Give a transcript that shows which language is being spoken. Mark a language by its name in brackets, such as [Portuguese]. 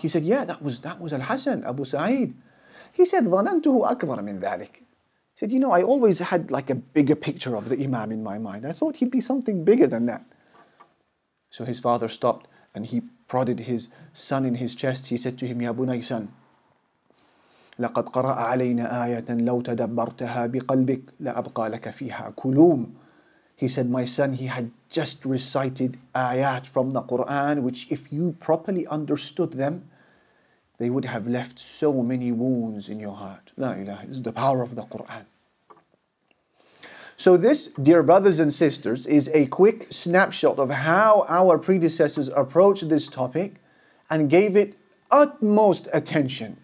[English] He said, yeah, that was Al-Hasan, Abu Sa'id. He said, [Arabic] ظَنَنْتُهُ أَكْبَرَ مِنْ ذَلِكَ. [English] He said, you know, I always had like a bigger picture of the imam in my mind. I thought he'd be something bigger than that. So his father stopped and he prodded his son in his chest. He said to him, [Arabic] يَا بُنَيْ [English] son, [Arabic] لَقَدْ قَرَأَ عَلَيْنَا آيَةً لَوْ تَدَبَّرْتَهَا بِقَلْبِكَ لَأَبْقَى لَكَ فِيهَا كُلُومٌ. [English] He said, my son, he had just recited ayat from the Quran, which if you properly understood them, they would have left so many wounds in your heart. La ilaha, this is the power of the Quran. So this, dear brothers and sisters, is a quick snapshot of how our predecessors approached this topic and gave it utmost attention.